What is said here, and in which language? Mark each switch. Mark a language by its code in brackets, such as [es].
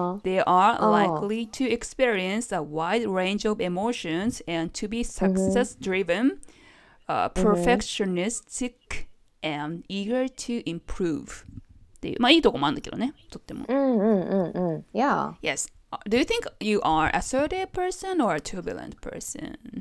[en] They are likely to experience a wide range of emotions and to be success-driven, perfectionistic, and eager to improve. [ja] まあいいとこもあるんだけどね、とっても。 [en] Yeah. Yes. Do you think you are an assertive person or a turbulent person?